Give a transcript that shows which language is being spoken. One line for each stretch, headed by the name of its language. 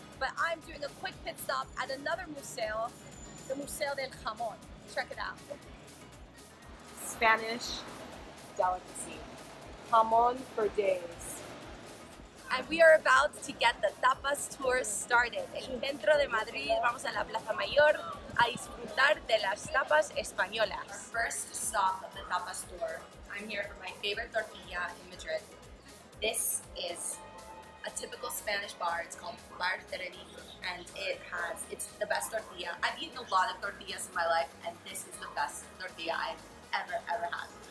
English: But I'm doing a quick pit stop at another museo, the Museo del Jamón. Check it out. Spanish delicacy. Jamón for days. And we are about to get the tapas tour started.
Spanish: El centro de Madrid, vamos a la Plaza Mayor a disfrutar de las tapas españolas.
English: Our first stop of the tapas tour. I'm here for my favorite tortilla in Madrid. This is a typical Spanish bar. It's called Bar Tereri, and it's the best tortilla. I've eaten a lot of tortillas in my life, and this is the best tortilla I've ever had.